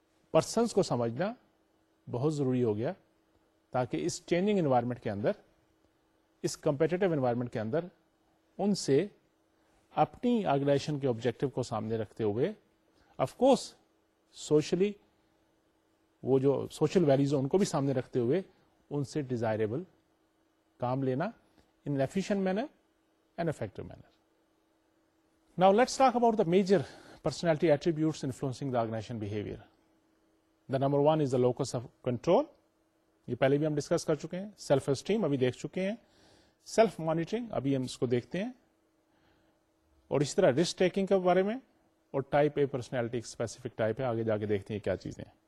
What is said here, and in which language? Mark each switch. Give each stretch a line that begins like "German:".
Urdu: Persons کو سمجھنا بہت ضروری ہو گیا تاکہ اس چینجنگ انوائرمنٹ کے اندر اس کمپیٹیٹو انوائرمنٹ کے اندر ان سے اپنی آرگنائزیشن کے آبجیکٹو کو سامنے رکھتے ہوئے آف کورس سوشلی وہ جو سوشل ویلیوز ان کو بھی سامنے رکھتے ہوئے ان سے ڈیزائریبل کام لینا
English: In efficient manner an effective manner. Now let's talk about the major personality attributes influencing the organization behavior. The number one is the locus of control,
Urdu: یہ پہلے بھی ہم ڈسکس کر چکے ہیں. سیلف اسٹیم ابھی دیکھ چکے ہیں, سیلف مانیٹرنگ ابھی ہم اس کو دیکھتے ہیں, اور اسی طرح رسک ٹیکنگ کے بارے میں, اور ٹائپ اے پرسنالٹی ایک اسپیسیفک ٹائپ ہے, آگے جا کے دیکھتے ہیں کیا چیزیں.